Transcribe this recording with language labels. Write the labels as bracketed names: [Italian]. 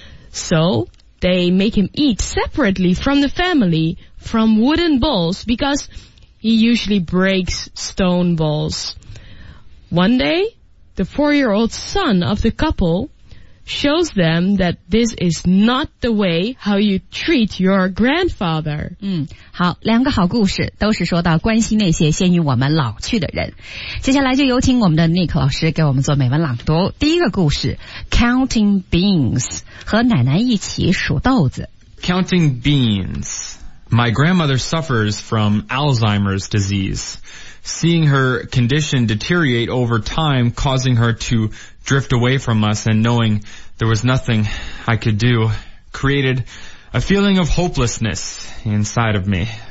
[English] So, they make him eat separately from the family, from wooden bowls, because he usually breaks stone bowls. One day, the 4-year-old son of the couple shows them that this is not the way how you treat your grandfather. [Chinese] 好，两个好故事都是说到关心那些先于我们老去的人。接下来就有请我们的 Nick 老师给我们做美文朗读。第一个故事 ,Counting Beans, 和奶奶一起数豆子。 [English] Counting Beans. My grandmother suffers from Alzheimer's disease. Seeing her condition deteriorate over time, causing her to drift away from us and knowing there was nothing I could do, created a feeling of hopelessness inside of me.